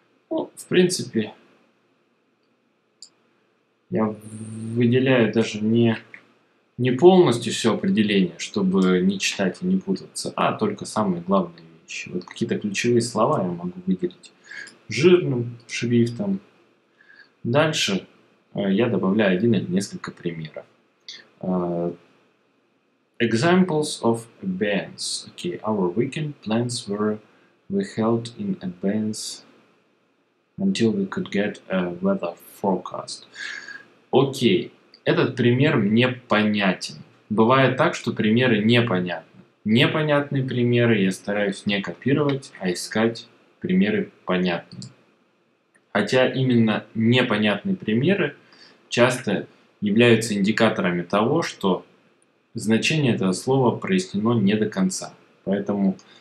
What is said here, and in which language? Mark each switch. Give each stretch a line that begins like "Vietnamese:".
Russian: Ну, в принципе, я выделяю даже не полностью все определение, чтобы не читать и не путаться, а только самые главные вещи. Вот какие-то ключевые слова я могу выделить жирным шрифтом. Дальше я добавляю один или несколько примеров.
English: Examples of abeyance. Okay. Our weekend plans were withheld in abeyance until we could get a weather forecast.
Russian: Окей, этот пример мне понятен. Бывает так, что примеры непонятны. Непонятные примеры я стараюсь не копировать, а искать примеры понятные. Хотя именно непонятные примеры часто являются индикаторами того, что значение этого слова прояснено не до конца. Поэтому